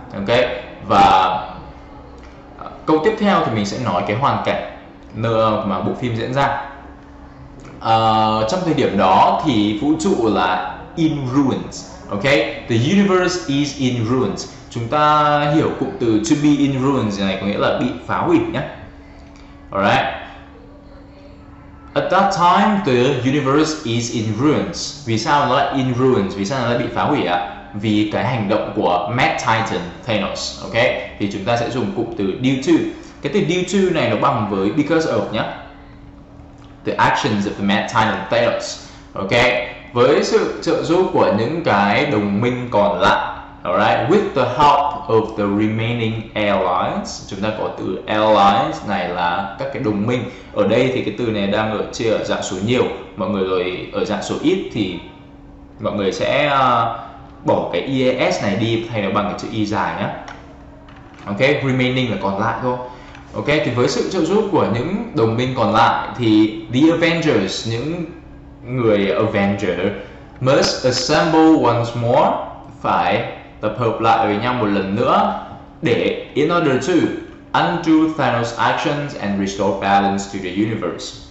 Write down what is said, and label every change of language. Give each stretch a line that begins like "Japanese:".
Vietnamese: Ok, và câu tiếp theo thì mình sẽ nói cái hoàn cảnh nơi mà bộ phim diễn ra. Trong thời điểm đó thì vũ trụ là
English: in ruins.
Vietnamese: Ok,
English: the universe is in ruins.
Vietnamese: Chúng ta hiểu cụm từ
English: to be in ruins
Vietnamese: này có nghĩa là bị phá hủy nhé.
English: Alright, at that time the universe is in ruins.
Vietnamese: Vì sao nó lại
English: in ruins,
Vietnamese: vì sao nó lại bị phá hủy ạ? Vì cái hành động của Mad Titan Thanos. Ok, thì chúng ta sẽ dùng cụm từ due to. Cái từ due to này nó bằng với because of nhé,
English: the actions of the Mad Titan Thanos.
Vietnamese: Ok, với sự trợ giúp của những cái đồng minh còn lại.
English: Alright, with the help of the remaining allies.
Vietnamese: Chúng ta có từ allies này là các cái đồng minh. Ở đây thì cái từ này đang ở chia ở dạng số nhiều, mọi người rồi ở dạng số ít thì mọi người sẽ bỏ cái EAS này đi, thay nó bằng cái chữ Y dài nhá. Ok, remaining là còn lại thôi. Ok, thì với sự trợ giúp của những đồng minh còn lại thì the Avengers, những người Avenger,
English: must assemble once more,
Vietnamese: phải tập hợp lại với nhau một lần nữa để
English: in order to undo Thanos' actions and restore balance to the universe.